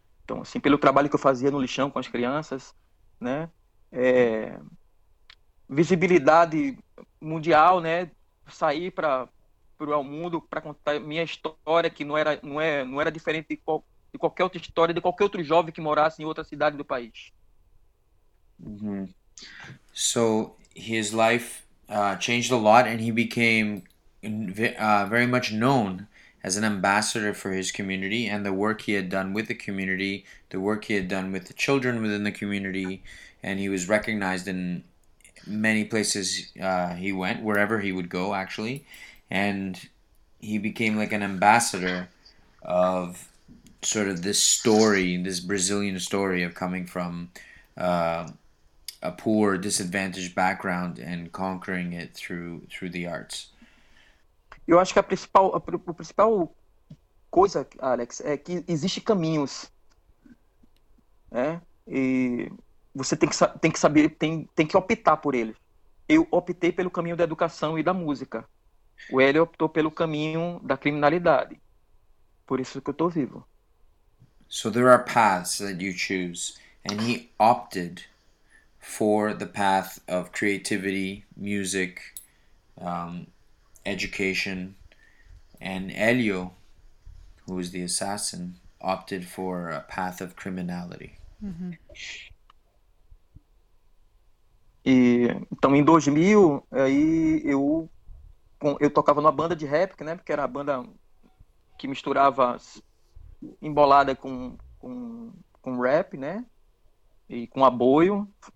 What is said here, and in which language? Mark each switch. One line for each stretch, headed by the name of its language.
Portuguese: Então, assim, pelo trabalho que eu fazia no lixão com as crianças, né? Visibilidade mundial, né? Sair para o mundo para contar minha história, que não era diferente de qualquer outra história, de qualquer outro jovem que morasse em outra cidade do país.
English: So his life changed a lot, and he became very much known as an ambassador for his community and the work he had done with the community, the work he had done with the children within the community, and he was recognized in many places he went, wherever he would go, actually. And he became like an ambassador of sort of this story, this Brazilian story of coming from a poor, disadvantaged background and conquering it through the arts.
Portuguese: Eu acho que a principal coisa, Alex, é que existem caminhos, né? E você tem que saber, tem que optar por eles. Eu optei pelo caminho da educação e da música. O Hélio optou pelo caminho da criminalidade. Por isso que eu estou vivo.
English: So there are paths that you choose, and he opted for the path of creativity, music, education, and Elio, who is the assassin, opted for a path of criminality.
Portuguese: E então em 2000 aí eu tocava numa banda de rap, né, porque era a banda que misturava embolada com rap, né, e com aboio.